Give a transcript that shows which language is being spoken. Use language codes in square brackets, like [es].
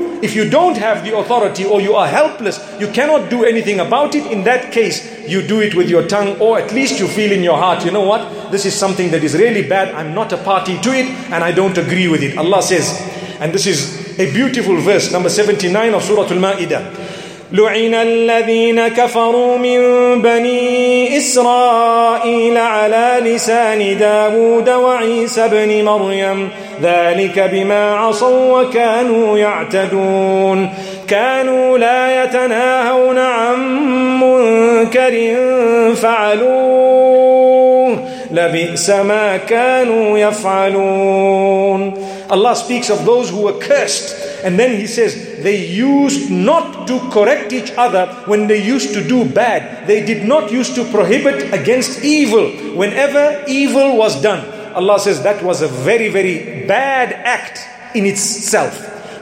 [en] If you don't have the authority or you are helpless, you cannot do anything about it, in that case, you do it with your tongue, or at least you feel in your heart, you know what? This is something that is really bad. I'm not a party to it and I don't agree with it. Allah says, and this is a beautiful verse, number 79 of Surah Al-Ma'idah. [ar] لعن الذين كفروا من بني إسرائيل على لسان داود وعيسى بن مريم ذلك بما عصوا وكانوا يعتدون كانوا لا يتناهون عن منكر فعلوه لبئس ما كانوا يفعلون. [en] Allah speaks of those who were cursed, and then he says they used not to correct each other when they used to do bad. They did not used to prohibit against evil whenever evil was done. Allah says that was a very, very bad act in itself.